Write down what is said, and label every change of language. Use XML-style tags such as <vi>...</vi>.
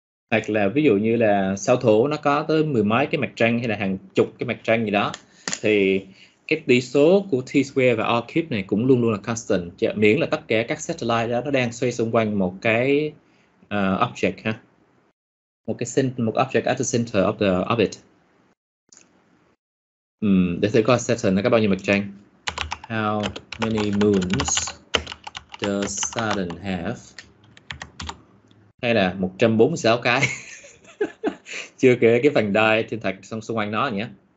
<vi>Hoặc là ví dụ như là sao Thổ nó có tới mười mấy cái mặt trăng hay là hàng chục cái mặt trăng gì đó, thì cái tỷ số của T-square và O-kíp này cũng luôn luôn là constant, chứ miễn là tất cả các satellite đó nó đang xoay xung quanh một cái object ha.</vi> <en>Một object at the center of the orbit.</en> <vi>Để thử coi Saturn nó có bao nhiêu mặt trăng.</vi> <en>How many moons does Saturn have?</en> <vi>Hay là 146 cái. Chưa kể cái vành đai thiên thạch xung xung quanh nó nhé.</vi>